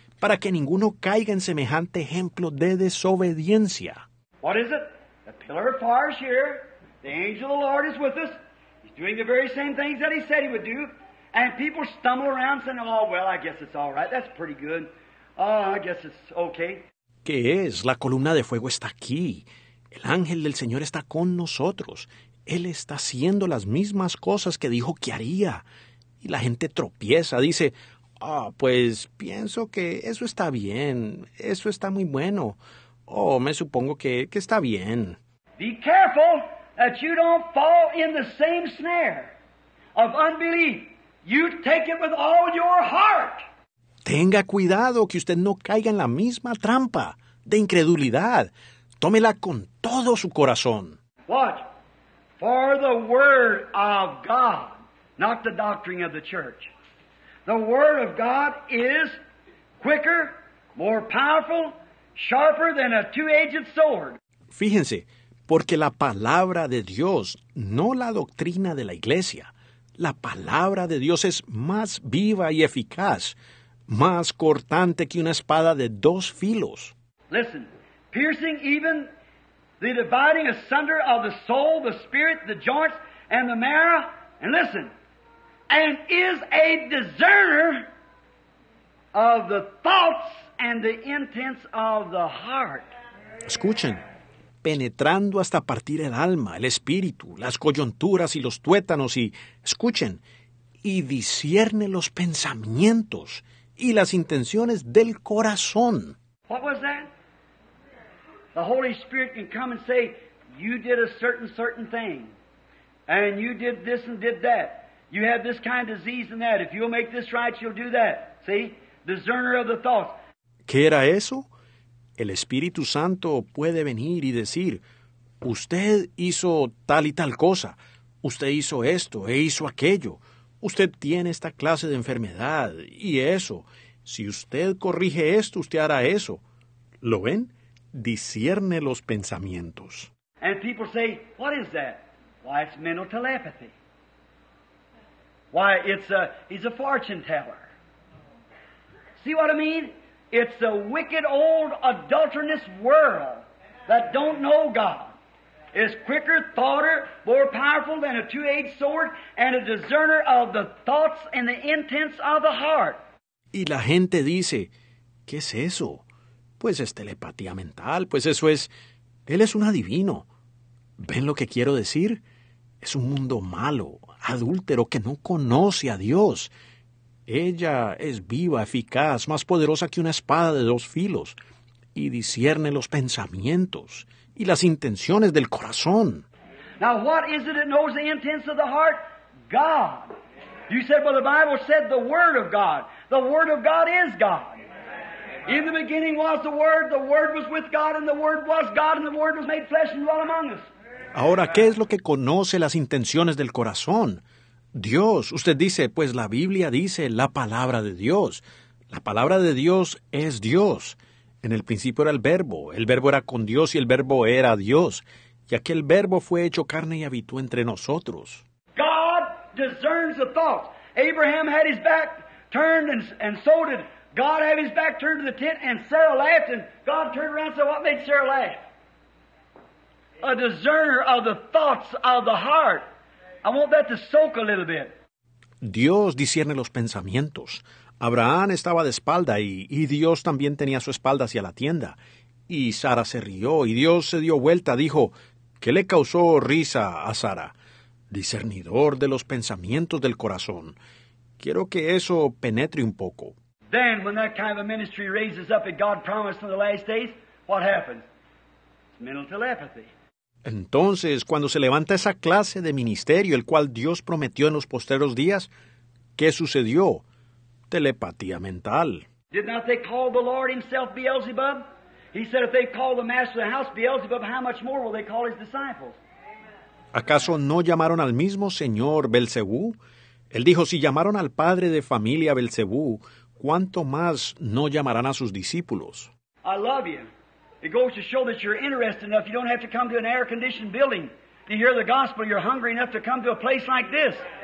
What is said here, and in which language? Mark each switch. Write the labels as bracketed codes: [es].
[es] Para que ninguno caiga en semejante ejemplo de desobediencia. [en] What is it? The pillar of fire is here. The angel of the Lord is with us. He's doing the very same things that he said he would do. And people stumble around saying, oh, well, I guess it's all right. That's pretty good. Oh, I guess it's okay. [es] ¿Qué es? La columna de fuego está aquí. El ángel del Señor está con nosotros. Él está haciendo las mismas cosas que dijo que haría. Y la gente tropieza, dice, oh, pues pienso que eso está bien. Eso está muy bueno. Oh, me supongo que está bien. [en] Be careful that you don't fall in the same snare of unbelief. You take it with all your heart. [es] Tenga cuidado que usted no caiga en la misma trampa de incredulidad. Tómela con todo su corazón. [en] Watch. For the word of God, not the doctrine of the church. The word of God is quicker, more powerful, sharper than a two-edged sword. [es] Fíjense, porque la palabra de Dios, no la doctrina de la iglesia, la palabra de Dios es más viva y eficaz, más cortante que una espada de dos filos. [en] Listen, piercing even the dividing asunder of the soul, the spirit, the joints, and the marrow, and listen, and is a discerner of the thoughts and the intents of the heart. [es] Escuchen, penetrando hasta partir el alma, el espíritu, las coyunturas y los tuétanos, y escuchen, y discierne los pensamientos y las intenciones del corazón. [en] What was that? The Holy Spirit can come and say, you did a certain thing, and you did this and did that. You have this kind of disease and that. If you'll make this right, you'll do that. See? Discerner of the thoughts. [es] ¿Qué era eso? El Espíritu Santo puede venir y decir, usted hizo tal y tal cosa. Usted hizo esto e hizo aquello. Usted tiene esta clase de enfermedad y eso. Si usted corrige esto, usted hará eso. ¿Lo ven? Discierne los pensamientos. [en] And people say, what is that? Why, it's mental telepathy. Why, he's a fortune teller. See what I mean? It's a wicked old adulterous world that don't know God. It's quicker, thoughter, more powerful than a two-edged sword, and a discerner of the thoughts and the intents of the heart. [es] Y la gente dice, ¿qué es eso? Pues es telepatía mental, pues eso es, él es un adivino. ¿Ven lo que quiero decir? Es un mundo malo, adúltero, que no conoce a Dios. Ella es viva, eficaz, más poderosa que una espada de dos filos, y discierne los pensamientos y las intenciones del corazón. [en] Now, what is it that knows the intents of the heart? God. You said, well, the Bible said the Word of God. The Word of God is God. In the beginning was the Word was with God, and the Word was God, and the Word was made flesh and dwelt among us. [es] Ahora, ¿qué es lo que conoce las intenciones del corazón? Dios. Usted dice, pues la Biblia dice la palabra de Dios. La palabra de Dios es Dios. En el principio era el verbo era con Dios y el verbo era Dios. Y aquel verbo fue hecho carne y habitó entre nosotros. [en] God discerns the thoughts. Abraham had his back turned and so did God have his back turned to the tent and Sarah laughed and God turned around and said, what made Sarah laugh? A discerner of the thoughts of the heart. I want that to soak a little bit. [es] Dios discierne los pensamientos. Abraham estaba de espalda y Dios también tenía su espalda hacia la tienda. Y Sara se rió y Dios se dio vuelta, dijo, ¿qué le causó risa a Sara? Discernidor de los pensamientos del corazón. Quiero que eso penetre un poco. [en] Then when that kind of ministry raises up that God promised in the last days, what happens? It's mental telepathy. [es] Entonces, cuando se levanta esa clase de ministerio, el cual Dios prometió en los posteros días, ¿qué sucedió? Telepatía mental. [en] Did not they call the Lord himself Beelzebub? He said, if they call the master of the house Beelzebub, how much more will they call his disciples? [es] ¿Acaso no llamaron al mismo Señor Belcebú? Él dijo, si llamaron al padre de familia Belcebú, ¿cuánto más no llamarán a sus discípulos? [en] I love you. It goes to show that you're interested enough. You don't have to come to an air-conditioned building to hear the gospel. You're hungry enough to come to a place like this.